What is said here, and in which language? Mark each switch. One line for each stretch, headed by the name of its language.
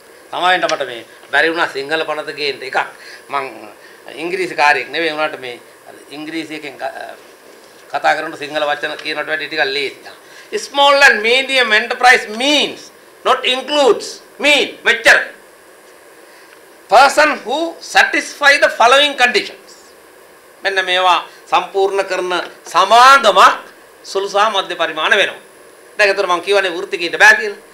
Sinhala: තමයි මට මේ බැරි වුණා සිංහල පනත ගේන්න එකක්. මං ඉංග්‍රීසි කාරයෙක් නෙවෙයි උනාට මේ ඉංග්‍රීසියකින් කතා කරන සිංහල වචන කියනට වැඩි ටිකක් ලේසි.
English: Small and medium enterprise means not includes mean මෙච්චර person who satisfy the following conditions.
Sinhala: මෙන්න මේවා සම්පූර්ණ කරන සමාගමක් සුළු සහ මධ්‍ය පරිමාණ වෙනවා. දැන් ඒතර මං කියවනේ වෘත්තිකයින්ට බෑ කියලා.